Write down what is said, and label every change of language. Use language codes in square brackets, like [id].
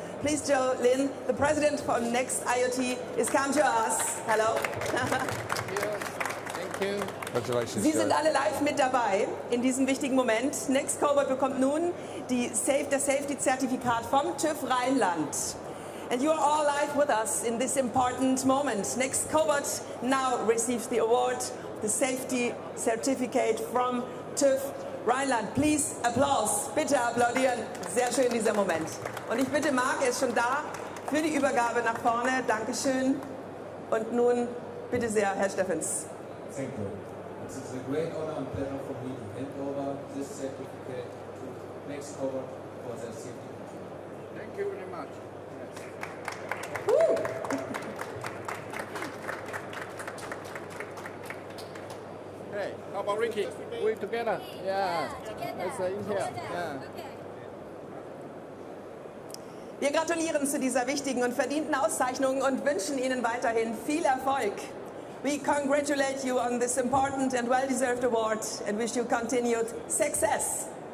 [en] Please, Joe Lin, the president from Next IoT, is come to us. Hello. [de] Sie sind alle live mit dabei in diesem wichtigen Moment. Next Cobot bekommt nun das Safety-Zertifikat vom TÜV Rheinland. [en] And you are all live with us in this important moment. Next Cobot now receives the award, the Safety Certificate from TÜV Rheinland. Please applause. [de] Bitte applaudieren. Sehr schön dieser Moment. Und ich bitte Marc, er ist schon da, für die Übergabe nach vorne. Dankeschön. Und nun bitte sehr, Herr Steffens. [en] Thank you. It is a great honor and pleasure for me to hand over this certificate to Next Cobot for their safety. Thank you very much. Yes. Hey, how about Ricky? We together? Yeah. Together. In here. Yeah. [de] Wir gratulieren zu dieser wichtigen und verdienten Auszeichnung und wünschen Ihnen weiterhin viel Erfolg. [en] We congratulate you on this important and well-deserved award and wish you continued success.